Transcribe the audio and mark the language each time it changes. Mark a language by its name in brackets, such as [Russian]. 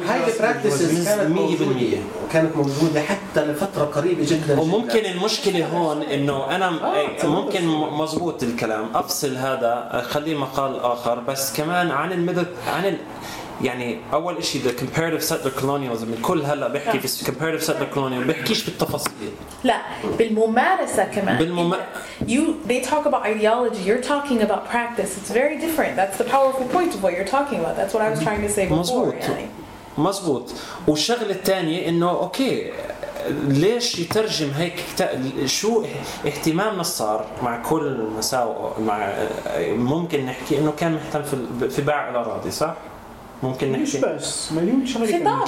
[Arabic] هاي البراكتس كانت 100% كانت موجودة حتى لفترة قريبة جداً وممكن جداً. المشكلة هون إنه أنا ممكن مظبوط الكلام أفصل هذا خليه مقال آخر بس كمان عن المدد عن يعني أول إشي [English] the comparative settler colonialism [Arabic] الكل هلأ بيحكي في [English] comparative settler colonialism [Arabic] بيحكيش بالتفاصيل لا بالممارسة كمان [English] you they talk about ideology you're talking about practice it's very different that's the powerful point of what you're talking about that's what I was trying to say before [Arabic] مظبوط يعني. مظبوط والشغلة الثانية إنه أوكي ليش يترجم هيك شو اهتمام نصار مع كل مساوئه مع ممكن نحكي انه كان مهتم في باع الاراضي صح ممكن نحكي بس مليون شغله